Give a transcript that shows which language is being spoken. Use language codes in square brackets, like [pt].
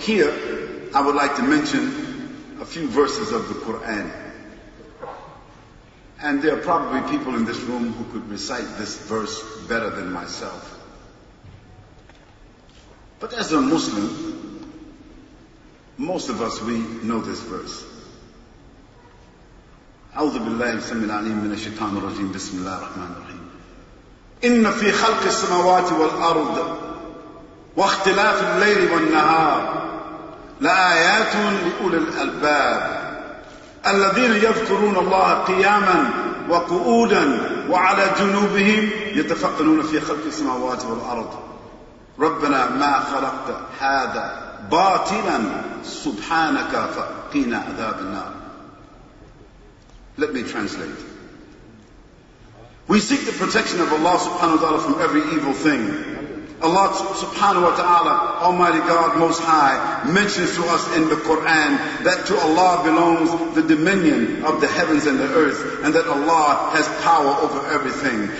[en] Here, I would like to mention a few verses of the Quran. And there are probably people in this room who could recite this verse better than myself. But as a Muslim, most of us, we know this verse. [ar] أعوذ بالله السميع العليم من الشيطان الرجيم بسم الله الرحمن الرحيم إن في خلق السماوات والأرض واختلاف الليل والنهار لآيات لأولي الألباب الذين يذكرون الله قياما وقعودا وعلى جنوبهم يتفكرون في خلق السماوات والأرض ربنا ما خلقت هذا باطلا سبحانك فقنا عذاب النار. [en] Let me translate. We seek the protection of Allah subhanahu wa ta'ala from every evil thing. Allah subhanahu wa ta'ala, Almighty God Most High, mentions to us in the Quran that to Allah belongs the dominion of the heavens and the earth, and that Allah has power over everything.